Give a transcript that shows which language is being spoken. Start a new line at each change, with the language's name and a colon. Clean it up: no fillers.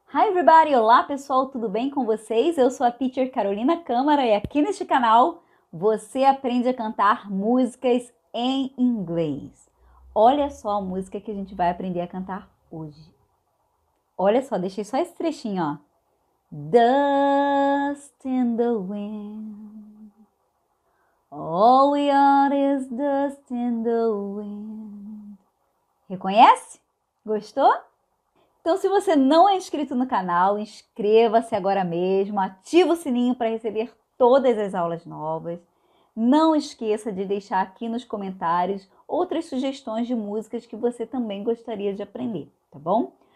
Portuguese: Hi everybody, olá pessoal, tudo bem com vocês? Eu sou a teacher Carolina Câmara e aqui neste canal você aprende a cantar músicas em inglês. Olha só a música que a gente vai aprender a cantar hoje. Olha só, deixei só esse trechinho, ó.
English: Dust in the wind. All we are is dust in the wind.
Portuguese: Reconhece? Gostou? Então, se você não é inscrito no canal, inscreva-se agora mesmo, ativa o sininho para receber todas as aulas novas. Não esqueça de deixar aqui nos comentários outras sugestões de músicas que você também gostaria de aprender, tá bom?